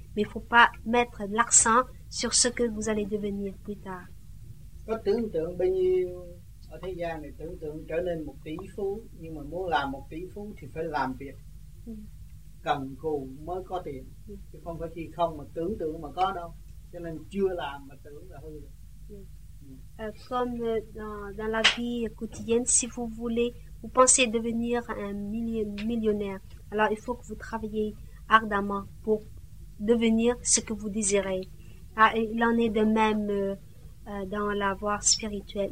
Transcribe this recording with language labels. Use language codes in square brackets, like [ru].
[fr] Mais il ne faut pas mettre l'accent sur ce que vous allez devenir plus tard. [vi] Có tưởng tượng bao nhiêu ở thế gian này, tưởng tượng trở nên một tỷ phú, nhưng mà muốn làm một tỷ phú thì phải làm việc cần cù mới có tiền, chứ không phải khi không mà tưởng tượng mà có đâu. Cho nên chưa làm mà tưởng là hư rồi. [fr] Comme dans la vie quotidienne, si vous voulez, vous pensez devenir un millionnaire, alors il faut que vous travaillez ardemment pour devenir ce que vous désirez. Il en est de même dans la voie spirituelle.